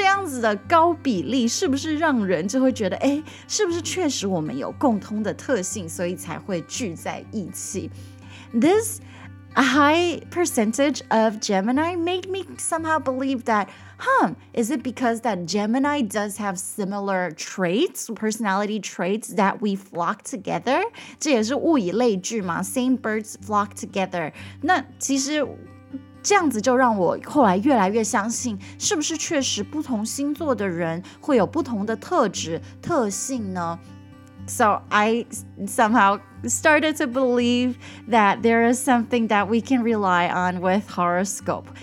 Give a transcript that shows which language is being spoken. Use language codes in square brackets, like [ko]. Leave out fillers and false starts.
[zh] 其实这样子的高比例是不是让人就会觉得, 诶, 是不是确实我们有共通的特性, 所以才会聚在一起。 [en] This A high percentage of Gemini made me somehow believe that, is it because that Gemini does have similar traits, personality traits that we flock together? [zh] 这也是物以类聚嘛, [en] same birds flock together. [zh] 那其实这样子就让我后来越来越相信，是不是确实不同星座的人会有不同的特质、特性呢？ [en] So I somehow started to believe that there is something that we can rely on with horoscope.